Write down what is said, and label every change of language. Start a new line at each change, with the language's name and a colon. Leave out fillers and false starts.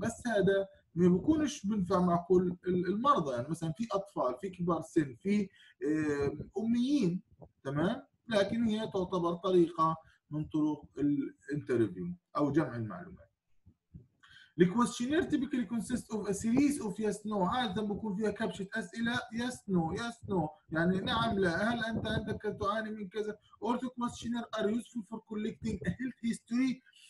Arabic: بس هذا ما بيكونش بنفع مع كل المرضى، يعني مثلاً في أطفال، في كبار سن، في أميين، تمام؟ لكن هي تعتبر طريقة من طرق الانترفيو أو جمع المعلومات.
English: The questionnaire typically consists of a series of yes no.
Arabic: عادة بكون فيها كبشة أسئلة
English: yes no yes no،
Arabic: يعني نعم لا، هل أنت عندك تعاني من كذا.
English: All the questionnaire are useful for collecting a health history.